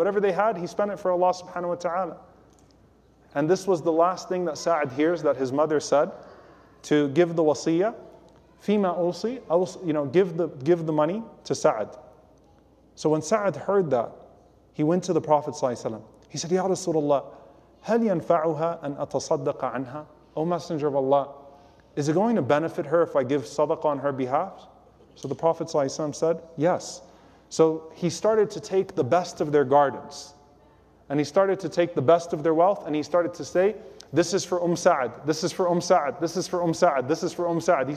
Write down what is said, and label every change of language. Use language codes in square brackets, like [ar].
[en] Whatever they had, he spent it for Allah subhanahu wa ta'ala. And this was the last thing that Sa'd hears that his mother said, to give the wasiyya, fima usi, you know, give the money to Sa'd. So when Sa'd heard that, he went to the Prophet ﷺ. He said, [ar] Ya Rasulullah, هل ينفعها أن أتصدق عنها? [en] O Messenger of Allah, is it going to benefit her if I give sadaqah on her behalf? So the Prophet ﷺ said, yes. So he started to take the best of their gardens, and he started to take the best of their wealth, and he started to say, this is for Sa'd, this is for Sa'd, this is for Sa'd, this is for Sa'd.